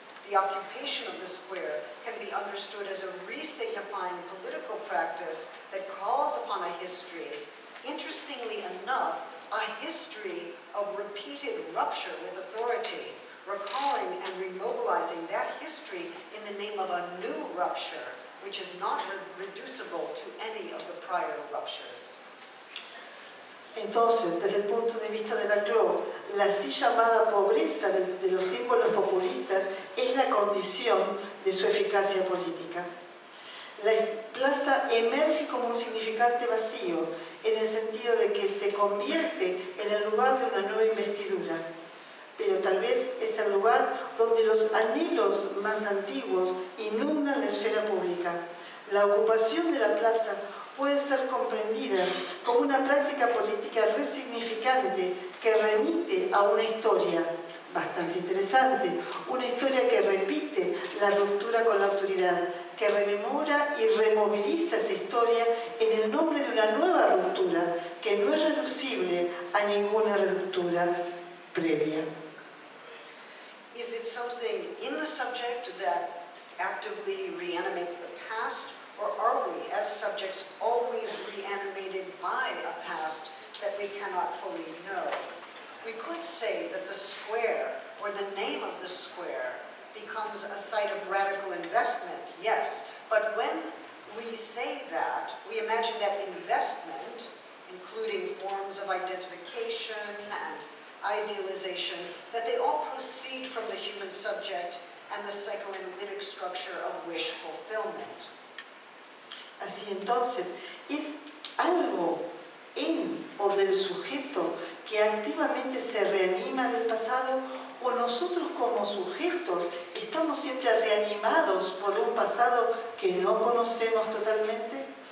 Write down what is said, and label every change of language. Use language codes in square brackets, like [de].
[en] The occupation of the square can be understood as a re-signifying political practice that calls upon a history, interestingly enough, a history of repeated rupture with authority, recalling and remobilizing that history in the name of a new rupture, which is not reducible to any of the prior ruptures. [es] Entonces, desde el punto de vista de Laclau, la así llamada pobreza de los símbolos populistas es la condición de su eficacia política. La plaza emerge como un significante vacío, en el sentido de que se convierte en el lugar de una nueva investidura. Pero tal vez es el lugar donde los anhelos más antiguos inundan la esfera pública. La ocupación de la plaza puede ser comprendida como una práctica política resignificante que remite a una historia bastante interesante, una historia que repite la ruptura con la autoridad, que rememora y removiliza esa historia en el nombre de una nueva ruptura que no es reducible a ninguna ruptura previa. [en] Is it something in the subject that actively reanimates the past, or are we, as subjects, always reanimated by a past that we cannot fully know? We could say that the square, or the name of the square, becomes a site of radical investment, yes, but when we say that, we imagine that investment, including forms of identification and idealization, that they all proceed from the human subject and the psychoanalytic structure of wish fulfillment. [es] Así entonces, es algo en o del sujeto que activamente se reanima del pasado, o nosotros como sujetos estamos siempre reanimados por un pasado que no conocemos totalmente.